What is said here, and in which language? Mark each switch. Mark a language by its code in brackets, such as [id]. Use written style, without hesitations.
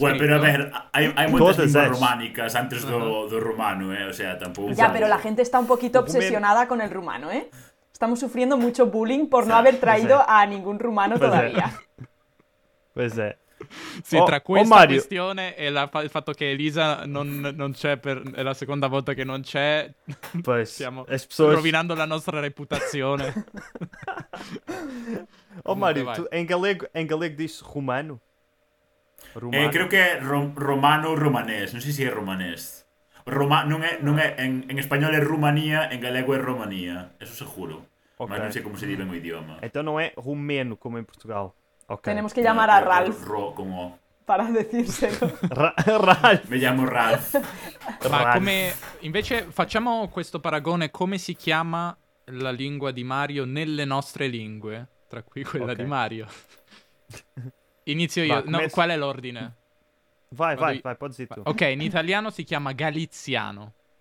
[es] Bueno, pero a ver, hay muchas lenguas románicas antes do rumano, ¿eh? O sea, tampoco... Ya, pero la gente está un poquito obsesionada con el rumano, ¿eh? Estamos sufriendo mucho bullying por no haber traído a ningún rumano todavía. Pues es. [it] Sì, tra questa questione e il fatto che Elisa non c'è, è la seconda volta che non c'è, [es] pues, [it] stiamo rovinando la nostra reputazione. Oh, Mario, tu in galego dici romano? Credo che è romano o romanés, non so se è romanés. In spagnolo è Romania, in galego è Romania, [es] eso seguro. [it] Okay. Ma non so come si dice in un idioma. Então non è rumeno come in Portugal. Okay. [es] Tenemos que llamar a Ralph para decírselo. Ralph. Me llamo Ralph. [it] Ma come, invece facciamo questo paragone, come si chiama la lingua di Mario nelle nostre lingue, tra cui quella di Mario. Inizio io. Va, qual è l'ordine? Vai, puoi dire tu. Ok, in italiano si chiama galiziano.